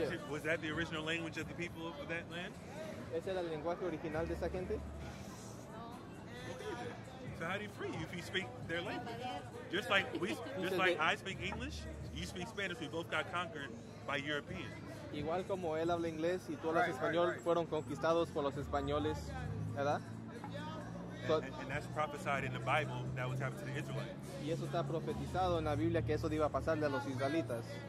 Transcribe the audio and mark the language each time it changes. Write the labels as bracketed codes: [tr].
[en] Was that the original language of the people of that land? [es] ¿Ese era el lenguaje original de esa gente? No. [en] So how do you free you if you speak their language? Just like we, just like I speak English, you speak Spanish. We both got conquered by Europeans. [es] Igual como él habla inglés y tú hablas español, fueron conquistados por los españoles, ¿verdad? [en] And that's prophesied in the Bible that was happening to the Israelites. [es] Y eso está profetizado en la Biblia que eso iba a pasarle a los israelitas.